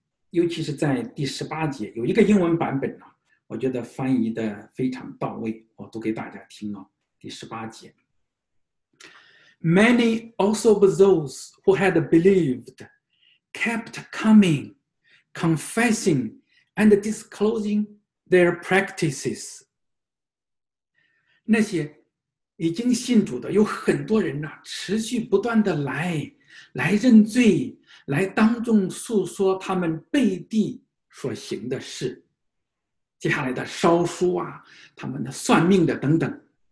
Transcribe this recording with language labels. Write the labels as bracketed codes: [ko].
[zh] 尤其是在第18节，有一个英文版本，我觉得翻译的非常到位，我读给大家听啊。第18节， [en] Many also of those who had believed kept coming, confessing and disclosing their practices. [zh] 那些已经信主的有很多人呢，持续不断的来认罪，来当众诉说他们背地所行的事，接下来的烧书啊，他们的算命的等等。